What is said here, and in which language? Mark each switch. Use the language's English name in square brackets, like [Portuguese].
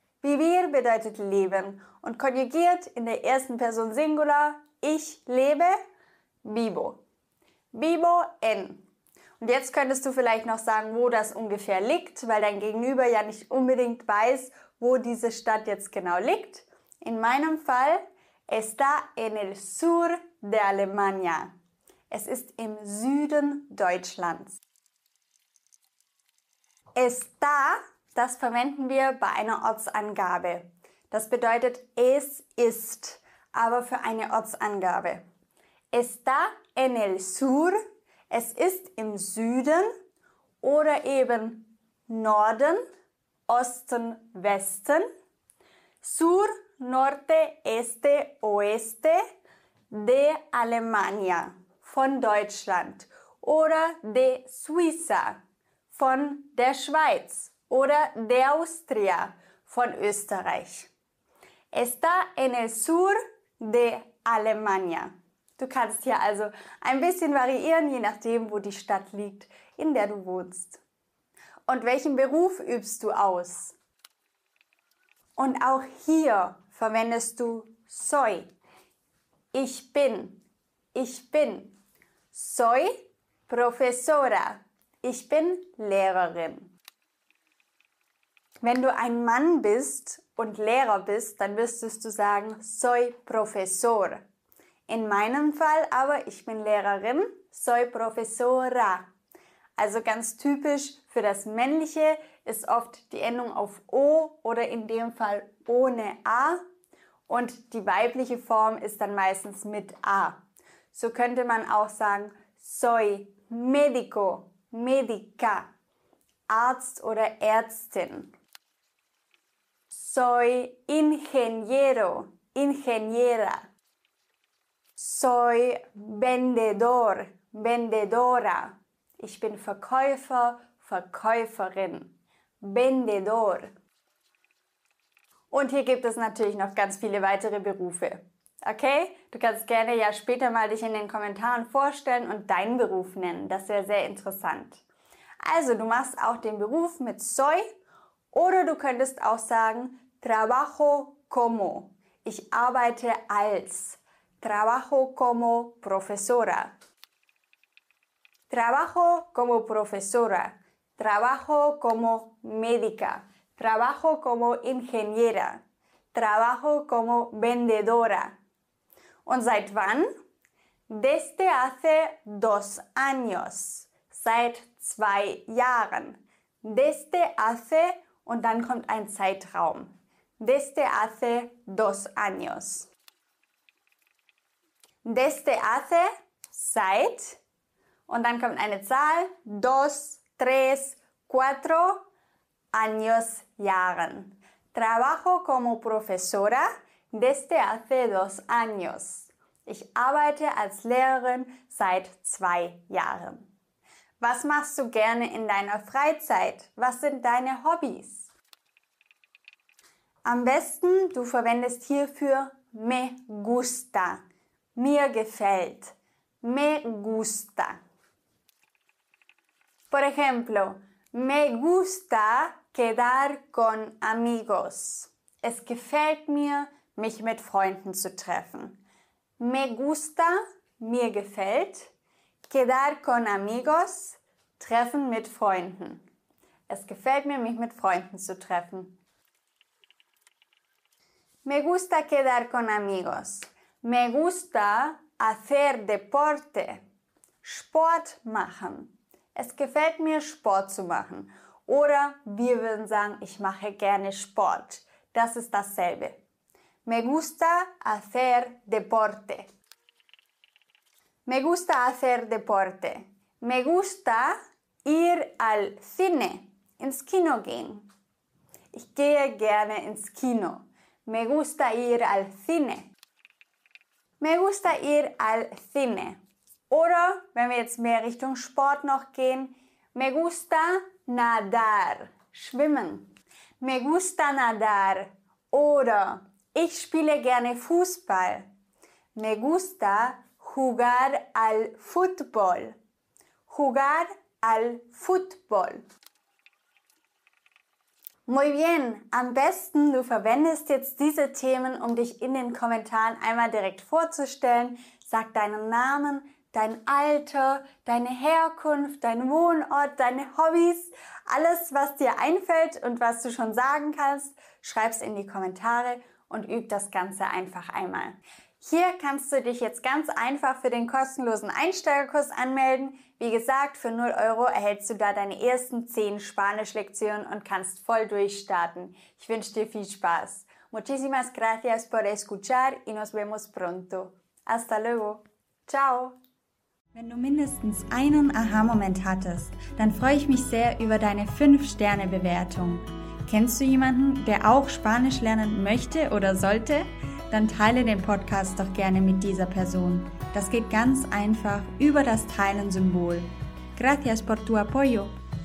[German] Vivir bedeutet leben. Und konjugiert in der ersten Person Singular. Ich lebe. Vivo. [Spanish] Vivo en. [German] Und jetzt könntest du vielleicht noch sagen, wo das ungefähr liegt, weil dein Gegenüber ja nicht unbedingt weiß, wo diese Stadt jetzt genau liegt. In meinem Fall, [Spanish] está en el sur de Alemania. [German] Es ist im Süden Deutschlands. Está, das verwenden wir bei einer Ortsangabe. Das bedeutet, es ist, aber für eine Ortsangabe. [Spanish] Está en el sur, [German] es ist im Süden oder eben Norden, Osten, Westen. [Spanish] Sur, Norte, Este, Oeste de Alemania, [German] von Deutschland. Oder [Spanish] de Suiza, [German] von der Schweiz. Oder [Spanish] de Austria, [German] von Österreich. [Spanish] Está en el sur de Alemania. [German] Du kannst hier also ein bisschen variieren, je nachdem, wo die Stadt liegt, in der du wohnst. Und welchen Beruf übst du aus? Und auch hier verwendest du soy. Ich bin. Ich bin. [Spanish] Soy profesora. [German] Ich bin Lehrerin. Wenn du ein Mann bist und Lehrer bist, dann müsstest du sagen [Spanish] soy profesor. [German] In meinem Fall aber, ich bin Lehrerin, [Spanish] soy profesora. [German] Also ganz typisch für das Männliche ist oft die Endung auf O oder in dem Fall ohne A. Und die weibliche Form ist dann meistens mit A. So könnte man auch sagen, [Spanish] soy médico, médica, [German] Arzt oder Ärztin. [Spanish] Soy ingeniero, ingeniera. Soy vendedor, vendedora. [German] Ich bin Verkäufer, Verkäuferin. Vendedor. Und hier gibt es natürlich noch ganz viele weitere Berufe. Okay? Du kannst gerne ja später mal dich in den Kommentaren vorstellen und deinen Beruf nennen. Das wäre sehr interessant. Also, du machst auch den Beruf mit soy oder du könntest auch sagen, [Spanish] trabajo como. [German] Ich arbeite als. [Spanish] Trabajo como profesora. Trabajo como profesora. Trabajo como médica. Trabajo como ingeniera. Trabajo como vendedora. [German] Und seit wann? [Spanish] Desde hace dos años. [German] Seit 2 Jahren. [Spanish] Desde hace [German] und dann kommt ein Zeitraum. [Spanish] Desde hace dos años. Desde hace, [German] seit, und dann kommt eine Zahl, [Spanish] dos, tres, cuatro, años, [German] Jahren. [Spanish] Trabajo como profesora desde hace dos años. [German] Ich arbeite als Lehrerin seit 2 Jahren. Was machst du gerne in deiner Freizeit? Was sind deine Hobbys? Am besten, du verwendest hierfür me gusta. Mir gefällt. [Spanish] Me gusta. Por ejemplo, me gusta quedar con amigos. [German] Es gefällt mir, mich mit Freunden zu treffen. [Spanish] Me gusta, [German] mir gefällt. [Spanish] Quedar con amigos, [German] treffen mit Freunden. Es gefällt mir, mich mit Freunden zu treffen. [Spanish] Me gusta quedar con amigos. Me gusta hacer deporte. [German] Sport machen. Es gefällt mir, Sport zu machen. Oder wir würden sagen, ich mache gerne Sport. Das ist dasselbe. [Spanish] Me gusta hacer deporte. Me gusta hacer deporte. Me gusta ir al cine. [German] Ins Kino gehen. Ich gehe gerne ins Kino. [Spanish] Me gusta ir al cine. Me gusta ir al cine. [German] Oder, wenn wir jetzt mehr Richtung Sport noch gehen, [Spanish] me gusta nadar, [German] schwimmen. [Spanish] Me gusta nadar. [German] Oder, ich spiele gerne Fußball. [Spanish] Me gusta jugar al fútbol. Jugar al fútbol. Muy bien, [German] am besten du verwendest jetzt diese Themen, um dich in den Kommentaren einmal direkt vorzustellen. Sag deinen Namen, dein Alter, deine Herkunft, deinen Wohnort, deine Hobbys, alles, was dir einfällt und was du schon sagen kannst, schreib's in die Kommentare und üb das Ganze einfach einmal. Hier kannst du dich jetzt ganz einfach für den kostenlosen Einsteigerkurs anmelden. Wie gesagt, für 0 Euro erhältst du da deine ersten 10 Spanisch-Lektionen und kannst voll durchstarten. Ich wünsche dir viel Spaß. [Spanish] Muchísimas gracias por escuchar y nos vemos pronto. Hasta luego. Ciao. [German] Wenn du mindestens einen Aha-Moment hattest, dann freue ich mich sehr über deine 5-Sterne-Bewertung. Kennst du jemanden, der auch Spanisch lernen möchte oder sollte? Dann teile den Podcast doch gerne mit dieser Person. Das geht ganz einfach über das Teilen-Symbol. [Spanish] Gracias por tu apoyo.